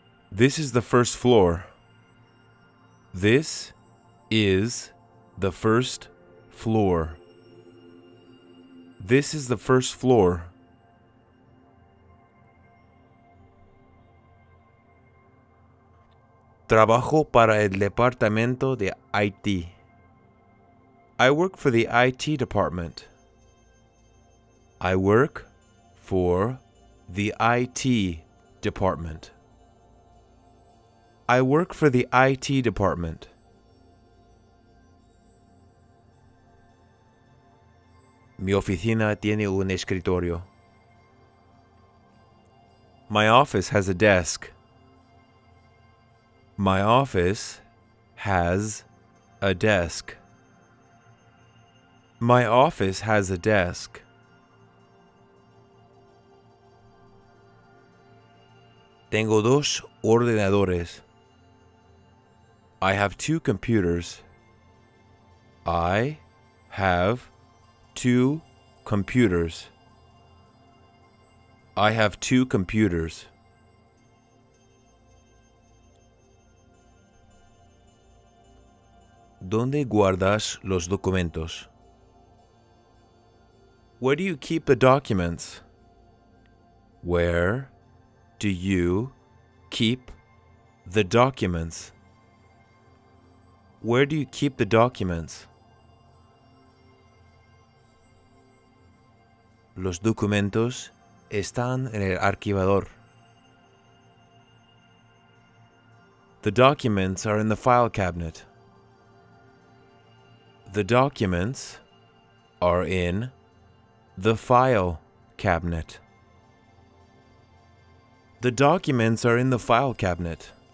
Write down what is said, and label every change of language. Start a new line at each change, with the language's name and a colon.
English: This is the first floor. This is the first floor. This is the first floor.
Spanish: Trabajo para el departamento de IT.
English: I work for the IT department. I work for the IT department. I work for the IT department.
Spanish: Mi oficina tiene un escritorio.
English: My office has a desk. My office has a desk. My office has a desk.
Spanish: Tengo dos ordenadores.
English: I have two computers. I have two computers. I have two computers.
Spanish: ¿Dónde guardas los documentos?
English: Where do you keep the documents? Where do you keep the documents? Where do you keep the documents?
Spanish: Los documentos están en el archivador.
English: The documents are in the file cabinet. The documents are in the file cabinet. The documents are in the file cabinet.